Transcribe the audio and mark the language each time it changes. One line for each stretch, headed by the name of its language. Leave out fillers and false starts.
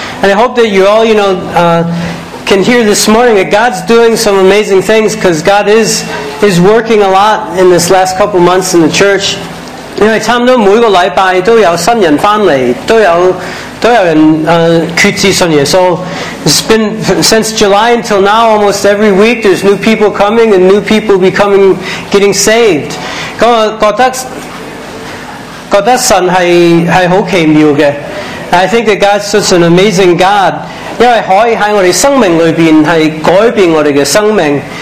English: And I hope that you all, you know, can hear this morning that God's doing some amazing things because God is working a lot in this last couple months in the church.
Cantonese: 因为差不多每个礼拜都有新人翻嚟，都有人决志信耶稣。
English: It's been since July until now, almost every week there's new people coming and new people becoming getting saved.
Cantonese: 咁我觉得神系好奇妙嘅。
English: I think that God's such an amazing God,
Cantonese: 因为可以喺我哋生命里边系改变我哋嘅生命。